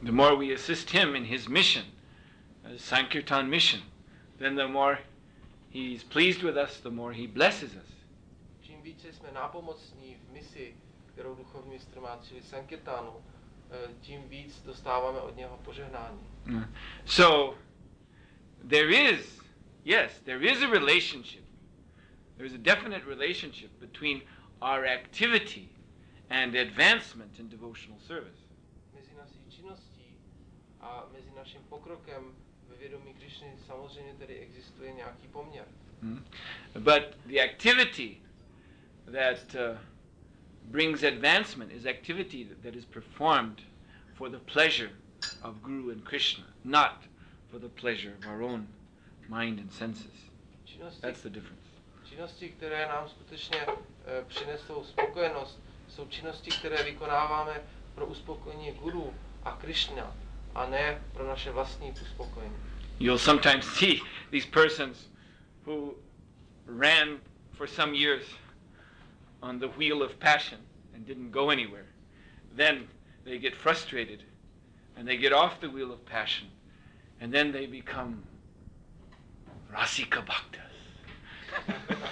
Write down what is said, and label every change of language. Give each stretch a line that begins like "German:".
English: The more we assist him in his mission, Sankirtan mission, then the more he is pleased with us, the more he blesses us.
Czech: Čím více jsme napomocní v misi, kterou duchovní mistr má, čili Sankirtanu, tím víc dostáváme od něho požehnání.
English: So there is, yes, there is a relationship. There is a definite relationship between our activity and advancement in devotional service.
Czech: Mezi naší činností a mezi naším pokrokem ve vědomí Krišny samozřejmě tedy existuje nějaký poměr.
English: But the activity that brings advancement is activity that is performed for the pleasure of Guru and Krishna, not for the pleasure of our own mind and senses.
Czech: Činnosti,
English: that's the difference.
Czech: Činnosti, které nám skutečně přinesou spokojenost, jsou činnosti, které vykonáváme pro uspokojení Guru a Krishna, a ne pro naše vlastní uspokojení.
English: You'll sometimes see these persons who ran for some years on the wheel of passion and didn't go anywhere. Then they get frustrated and they get off the wheel of passion and then they become Rasika Bhaktas.